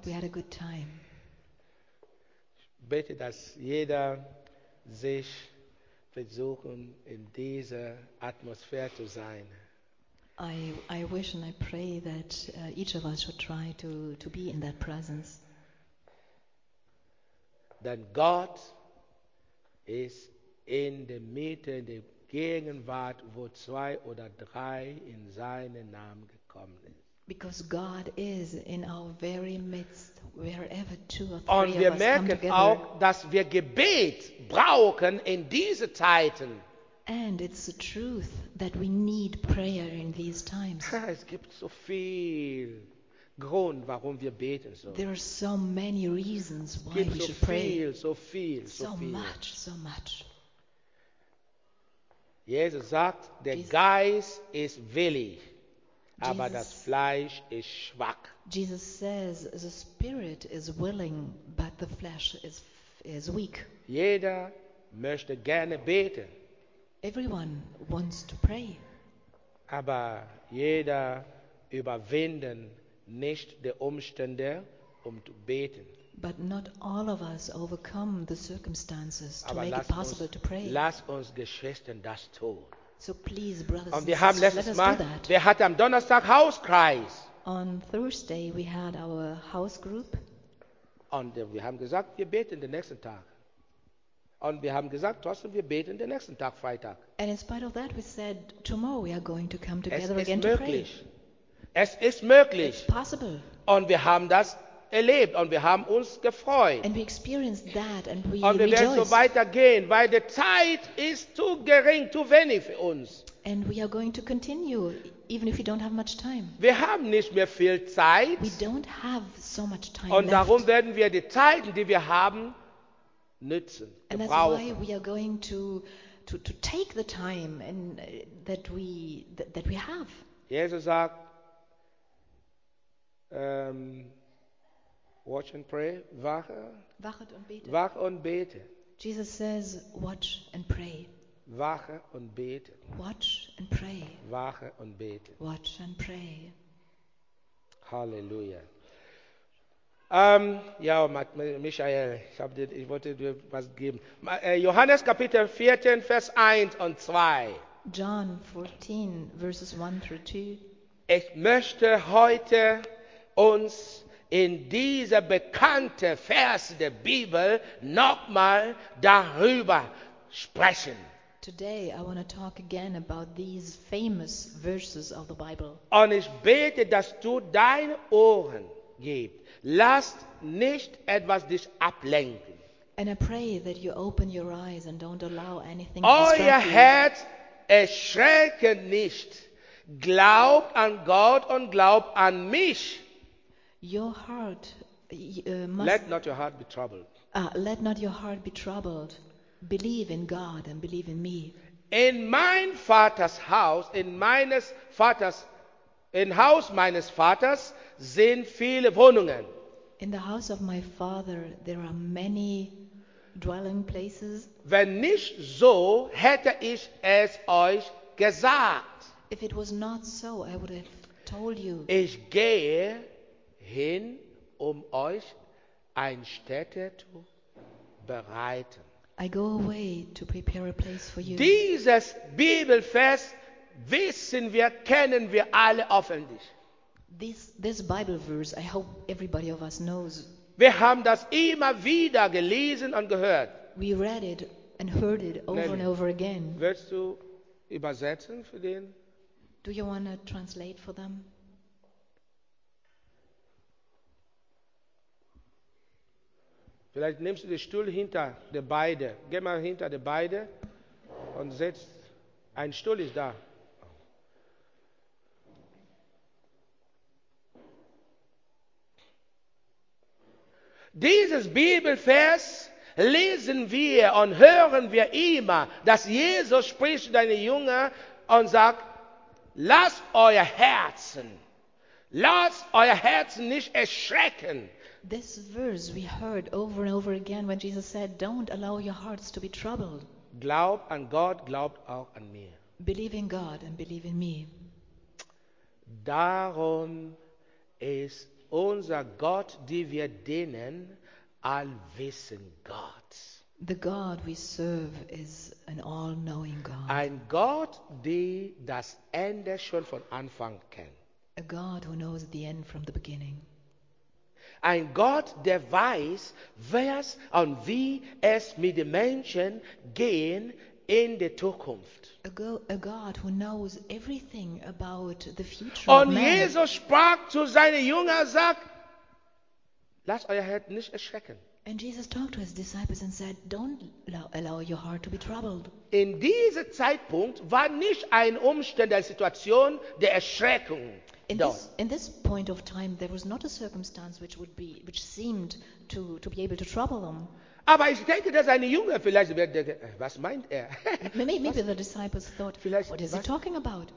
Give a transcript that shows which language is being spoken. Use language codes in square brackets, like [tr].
[en] We had a good time. [de] Ich bete, dass jeder sich versucht, in dieser Atmosphäre zu sein. [en] I wish and I pray that each of us should try to be in that presence. Then God is in the [de] Mitte, in der Gegenwart, wo zwei oder drei in seinen Namen gekommen sind. [en] Because God is in our very midst, wherever two or three of us come together. [de] Und wir merken auch, dass wir Gebet brauchen in diese Zeiten. [en] And it's the truth that we need prayer in these times. [de] Es gibt so viel Grund, warum wir beten so. [en] There are so many reasons why we should pray so much. [de] Jesus sagt, der Geist ist willig, aber das Fleisch ist schwach. [en] Jesus says, the spirit is willing, but the flesh is weak. [de] Jeder möchte gerne beten. [en] Everyone wants to pray. [de] Aber jeder überwinden nicht die Umstände, zu beten. [en] But not all of us overcome the circumstances to make it possible to pray. [de] Lass uns Geschwistern das tun. [en] So please, brothers [de] und wir haben letztes Mal, wir hatten am Donnerstag Hauskreis. [en] On Thursday we had our house group. [de] Und wir haben gesagt, wir beten den nächsten Tag. Und wir haben gesagt, trotzdem wir beten den nächsten Tag, Freitag. [en] And in spite of that we said, tomorrow we are going to come together again to pray. [de] Es ist möglich. Es ist möglich. [en] It's possible. [de] Und wir haben das erlebt und wir haben uns gefreut. [en] And we experienced that and we [de] und wir [en] rejoiced. [de] Werden so weitergehen, weil die Zeit ist zu gering, zu wenig für uns. [en] And we are going to continue, even if we don't have much time. [de] Wir haben nicht mehr viel Zeit. [en] We don't have so much time [de] und darum [en] left. [de] Werden wir die Zeit, die wir haben, nützen, [en] and [de] gebrauchen. [en] That's why we are going to take the time and, that we have. [de] Jesus sagt, [en] watch and pray, [de] wache und bete. [en] Jesus says, watch and pray. [de] Wache und bete. [en] Watch and pray. [de] Wache und bete. [en] Watch and pray. [de] Halleluja. Michael, ich wollte dir was geben. Johannes Kapitel 14, Vers 1 und 2. [en] John 14, Verses 1 through 2. [de] Ich möchte heute uns in dieser bekannten Vers der Bibel nochmal darüber sprechen. [en] Today I want to talk again about these famous verses of the Bible. [de] Und ich bete, dass du deine Ohren gibst. Lass nicht etwas dich ablenken. [en] And I pray that you open your eyes and don't allow anything to distract you. [de] Euer Herz erschrecke nicht. Glaub an Gott und glaub an mich. [en] Your heart must let not your heart be troubled. Let not your heart be troubled. Believe in God and believe in me. [de] In mein Vaters Haus, in Haus meines Vaters sind viele Wohnungen. [en] In the house of my father there are many dwelling places. [de] Wenn nicht so, hätte ich es euch gesagt. [en] If it was not so, I would have told you. [de] Ich gehe hin, um euch ein Städte zu bereiten. [en] I go away to prepare a place for you. [de] Dieses Bibelvers wissen wir, kennen wir alle öffentlich. [en] This Bible verse, I hope everybody of us knows. [de] Wir haben das immer wieder gelesen und gehört. [en] We read it and heard it over and over again. [de] Willst du übersetzen für den? [en] Do you want to translate for them? [de] Vielleicht nimmst du den Stuhl hinter der Beide. Geh mal hinter der Beide und setz. Ein Stuhl ist da. Dieses Bibelvers lesen wir und hören wir immer, dass Jesus spricht zu deinen Jüngern und sagt, lasst euer Herzen nicht erschrecken. [en] This verse we heard over and over again when Jesus said, don't allow your hearts to be troubled. [de] Glaub an Gott, glaubt auch an mir. [en] Believe in God and believe in me. [de] Darum ist unser Gott, den wir dienen, allwissend Gott. [en] The God we serve is an all-knowing God. [de] Ein Gott, der das Ende schon von Anfang kennt. [en] A God who knows the end from the beginning. [de] Ein Gott, der weiß, was und wie es mit den Menschen gehen in der Zukunft. [en] A God who knows everything about the future. [de] Und Jesus sprach zu seinen Jüngern, sagt, lasst euer Herz nicht erschrecken. [en] And Jesus talked to his disciples and said, don't allow your heart to be troubled. [de] In diesem Zeitpunkt war nicht ein Umstand der Situation der Erschreckung. [en] In this point of time, there was not a circumstance which seemed to be able to trouble them. [de] Aber ich denke, dass eine Jünger vielleicht, was meint er? [en] Maybe the disciples thought, what is he talking about?